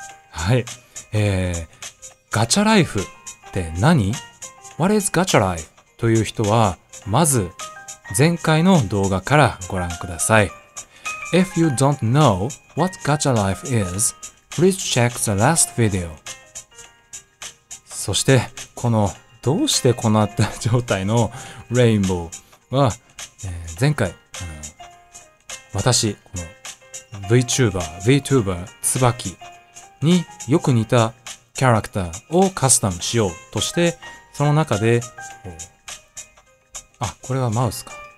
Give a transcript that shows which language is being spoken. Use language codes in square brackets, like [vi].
[ja] はい。ガチャライフって何 ? [en] What is [ja] ガチャライフ? という人は、まず前回の動画からご覧ください。 [en] If you don't know what gacha life is, please check the last video. [ja] そして、このどうしてこうなった状態のレインボーは、前回、私、この VTuber、VTuber、つばきによく似たキャラクターをカスタムしようとして、その中で、あ、これはマウスか。